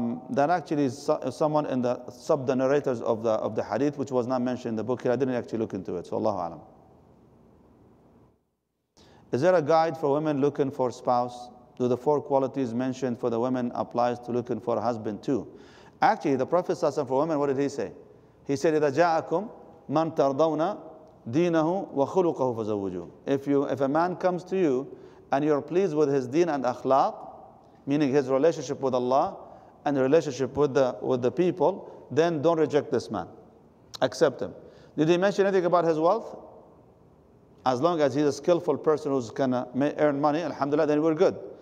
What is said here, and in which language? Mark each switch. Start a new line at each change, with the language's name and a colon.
English: That actually is someone in the sub-narrators of the hadith, which was not mentioned in the book here. I didn't actually look into it, so Allahu alam. Is there a guide for women looking for spouse? Do the four qualities mentioned for the women applies to looking for a husband too? Actually, the Prophet ﷺ for women, what did he say? He said,
Arabic: إِذَا جَاءَكُمْ مَنْ تَرْضَوْنَ دِينَهُ وَخُلُقَهُ فَزَوُّجُهُ.
English: If a man comes to you and you're pleased with his deen and akhlaq, meaning his relationship with Allah and the relationship with the people, then don't reject this man. Accept him. Did he mention anything about his wealth? As long as he's a skillful person who's going to earn money, alhamdulillah, then we're good.